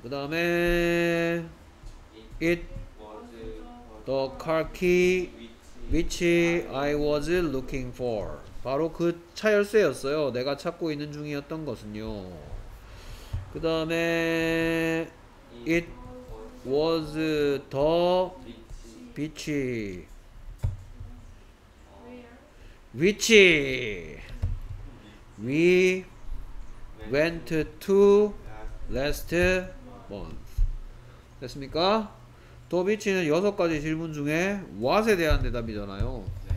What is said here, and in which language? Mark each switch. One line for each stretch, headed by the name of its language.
Korean: 그 다음에
English: it was the car key which I was looking for.
Korean: 바로 그 차 열쇠였어요. 내가 찾고 있는 중이었던 것은요. 그 다음에
English: it was the which which we went to last month.
Korean: 됐습니까? 더 비치는 여섯 가지 질문 중에 what에 대한 대답이잖아요.